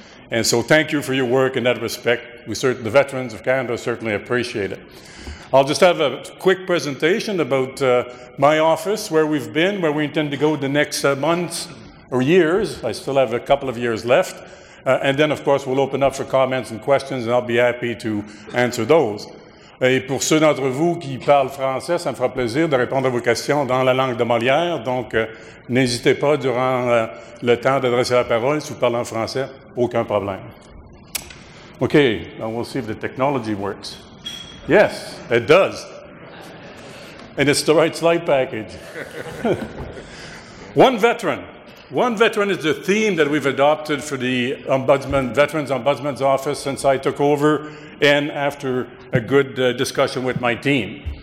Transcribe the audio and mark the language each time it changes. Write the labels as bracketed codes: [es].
[en] And so thank you for your work in that respect. The veterans of Canada certainly appreciate it. I'll just have a quick presentation about my office, where we've been, where we intend to go the next months or years. I still have a couple of years left. And then, of course, we'll open up for comments and questions, and I'll be happy to answer those. [fr] Et pour ceux d'entre vous qui parlent français, ça me fera plaisir de répondre à vos questions dans la langue de Molière. Donc, n'hésitez pas durant le temps d'adresser la parole. Si vous parlez en français, aucun problème. [en] Okay, now we'll see if the technology works. Yes, it does. And it's the right slide package. One veteran is the theme that we've adopted for the Ombudsman, Veterans Ombudsman's Office since I took over and after a good discussion with my team.